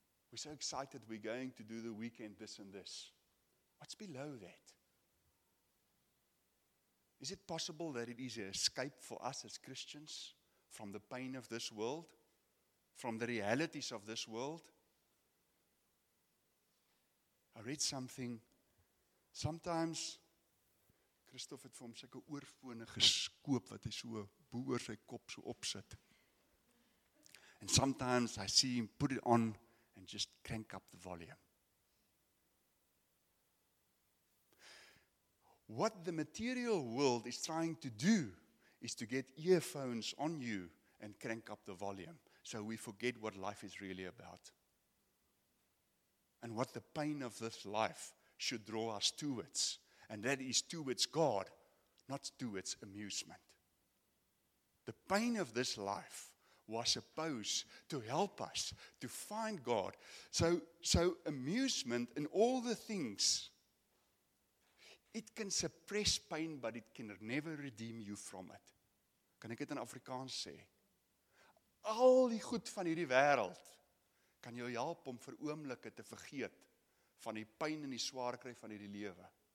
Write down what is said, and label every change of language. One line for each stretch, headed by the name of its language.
English: We're so excited we're going to do the weekend this and this. What's below that? Is it possible that it is an escape for us as Christians from the pain of this world, from the realities of this world? I read something. Sometimes,
Afrikaans: Christoph het vir hom sulke oorfone geskoop wat hy so bo oor sy kop so opsit.
English: And sometimes I see him put it on and just crank up the volume. What the material world is trying to do is to get earphones on you and crank up the volume so we forget what life is really about and what the pain of this life should draw us towards, and that is towards God, not towards amusement. The pain of this life was supposed to help us to find God. So amusement and all the things, it can suppress pain, but it can never redeem you from it.
Afrikaans: Kan ek dit in Afrikaans sê? Al die goed van hierdie wêreld kan jou help om vir oomblikke te vergeet van die pyn en die swaarkry van hierdie lewe.